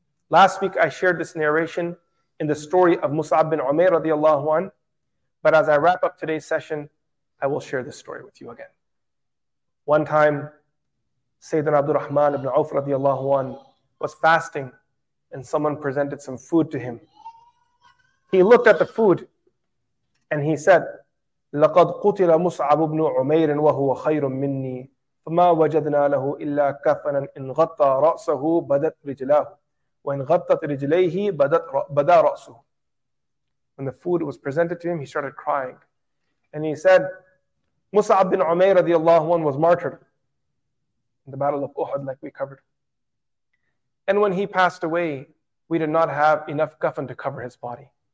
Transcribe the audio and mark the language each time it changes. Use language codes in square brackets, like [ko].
[en] Last week I shared this narration in the story of Mus'ab bin Umair radiallahu anhu, but as I wrap up today's session, I will share this story with you again. One time, Sayyidina Abdul Rahman ibn Auf radiallahu anhu was fasting, and someone presented some food to him. He looked at the food and he said, [ar] لَقَدْ قُتِلَ مُصْعَبُ بْنُ عُمَيْرٍ وَهُوَ خَيْرٌ مِّنِّي فَمَا وَجَدْنَا لَهُ إِلَّا كَفَنًا إِنْ غَطَّى رَأْسَهُ بَدَتْ رِجْلَاهُ وَإِنْ غَطَّتْ رِجْلَيْهِ بَدَى رَأْسُهُ. [en] When the food was presented to him, he started crying. And he said, Mus'ab bin Umayr radiallahu anhu was martyred in the Battle of Uhud, like we covered. And when he passed away, we did not have enough kafan to cover his body.